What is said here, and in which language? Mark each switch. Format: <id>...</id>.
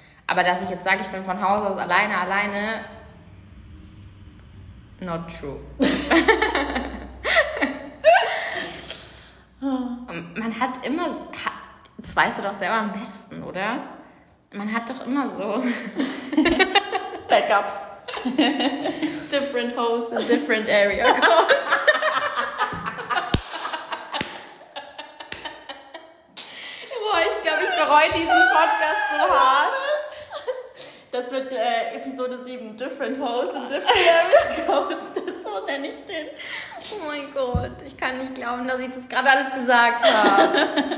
<de>Aber dass ich jetzt sage, ich bin von Haus aus alleine,</de> <en>not true.</en> <de>Man hat immer, das weißt du doch selber am besten, oder? Man hat doch immer so Backups.</de> <en>Different hosts in different area codes.</en> <de>Boah, ich glaube, ich bereue diesen Podcast so hart. Das wird Episode 7, Different Hosts and Different Codes. So nenne ich den. Oh mein Gott, ich kann nicht glauben, dass ich das gerade alles gesagt habe.</de>